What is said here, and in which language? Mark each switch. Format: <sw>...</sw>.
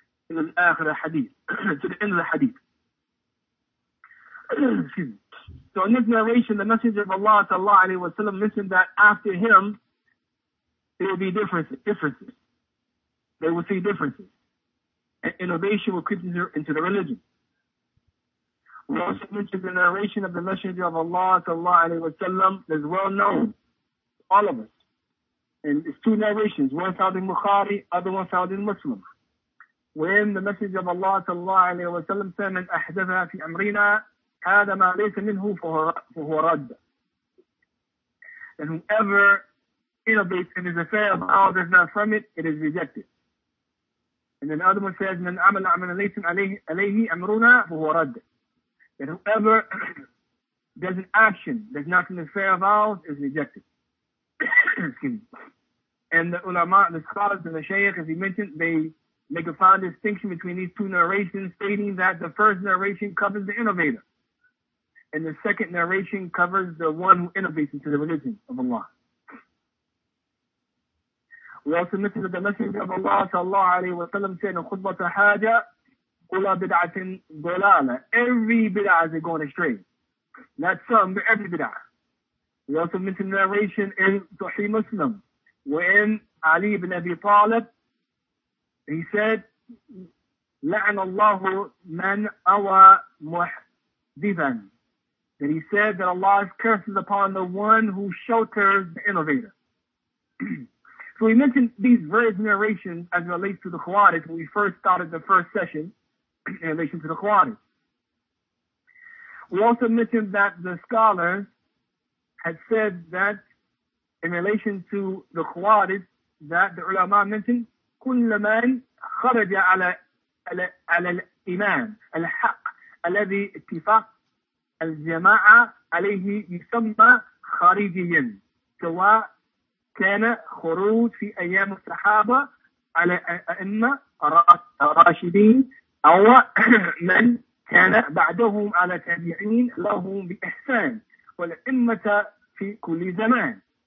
<en>In the akhir hadith. To the end of the hadith. So in this narration, the Messenger of Allah, sallallahu alayhi wa sallam, mentioned that after him, there will be differences. They will see differences. And innovation will creep into the religion. We also mentioned the narration of the Messenger of Allah, sallallahu alayhi wa sallam, that's well known to all of us. And it's two narrations, one found in Bukhari, other one found in Muslim. When the Messenger of Allah, sallallahu alayhi wa sallam, said,</en> <ar>من أحدثنا في أمرنا هذا ما ليس منه فهو رد.</ar> <en>And whoever innovates in his affair of ours is not from it, it is rejected. And then the other one says,</en> <ar>من عمل عمل ليس عليه أمرنا فهو رد.</ar> <en>That whoever does an action that's not from the affair of ours is rejected. And the ulama, the scholars, and the shaykh, as he mentioned, they make a fine distinction between these two narrations, stating that the first narration covers the innovator, and the second narration covers the one who innovates into the religion of Allah. We also mentioned that the Messenger of Allah sallallahu alayhi wa sallam said in khutbah to haja, kula bid'atin dolala. Every bid'ah is going astray. Not some, but every bid'ah. We also mentioned the narration in Sahih Muslim, when Ali ibn Abi Talib, he said, la'an Allahu man awa muhdivan. That he said that Allah's curse is upon the one who shelters the innovator. So we mentioned these various narrations as it relates to the Khawarij when we first started the first session in relation to the Khawarij. We also mentioned that the scholars had said that in relation to the Khawarij that the ulama mentioned,</en> <ar>كل من خرج على الإمام الحق الذي اتفق الجماعة عليه يسمى خارجيا سواء كان خروج في أيام الصحابة على أئمة راشدين أو من كان بعدهم على تابعين لهم بإحسان والأئمة في كل زمان.</ar>